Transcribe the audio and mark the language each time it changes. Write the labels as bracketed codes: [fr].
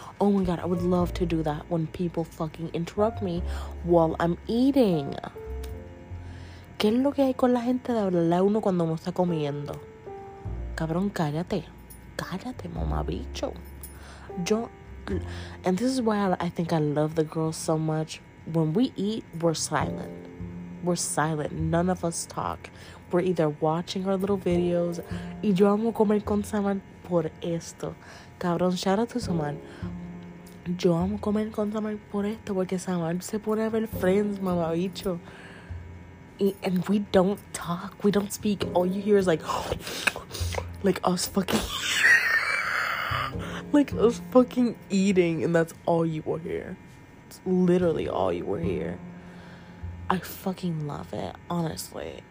[en] Oh my god, I would love to do that when people fucking interrupt me while I'm eating. [es] ¿Qué es lo que hay con la gente de hablarle a uno cuando uno está comiendo? Cabrón, cállate. Cállate, mamabicho. Yo, [en] and this is why I think I love the girls so much. When we eat, we're silent. We're silent. None of us talk. We're either watching our little videos. [es] Y yo amo comer con Saman por esto. Cabrón, [en] shout out to Saman. [es] Yo amo comer con Saman por esto porque Saman se pone a ver Friends, mama bicho. [en] And we don't talk. We don't speak. All you hear is like us fucking like us fucking eating, and that's all you will hear. It's literally all you will hear. I fucking love it, honestly.